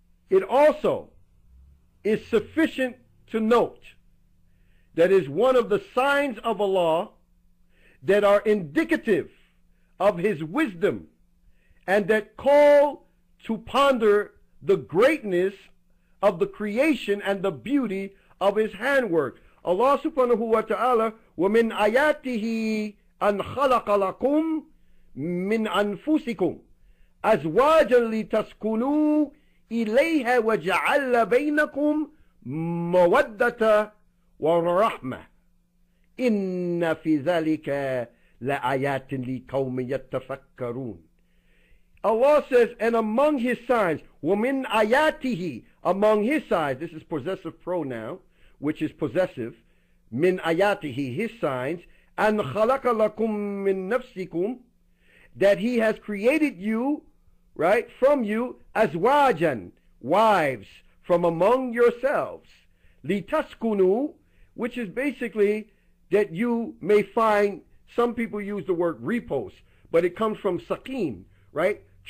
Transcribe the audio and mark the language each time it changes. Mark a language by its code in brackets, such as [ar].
[en] It also is sufficient to note that is one of the signs of Allah that are indicative of his wisdom, and that call to ponder the greatness of the creation and the beauty of his handwork. [ar] Allah subhanahu wa ta'ala, وَمِنْ آيَاتِهِ أَنْ خَلَقَ لَكُمْ مِنْ أَنْفُسِكُمْ أَزْوَاجًا لِتَسْكُنُوا إِلَيْهَا وَجَعَلَ بَيْنَكُمْ مَوَدَّةً وَرَحْمَةً إِنَّ فِي ذَلِكَ لَآيَاتٍ لِقَوْمٍ يَتَفَكَّرُونَ. [en] Allah says, and among his signs, [ar] وَمِنْ آيَاتِهِ, [en] among his signs, this is possessive pronoun, which is possessive, [ar] مِنْ آيَاتِهِ, [en] his signs, [ar] أَنْ خَلَقَ لَكُمْ مِنْ نَفْسِكُمْ, [en] that he has created you, right, from you, [ar] أَزْوَاجًا, [en] wives, from among yourselves, [ar] لِتَسْكُنُوا, [en] which is basically that you may find, some people use the word repose, but it comes from sakin, right?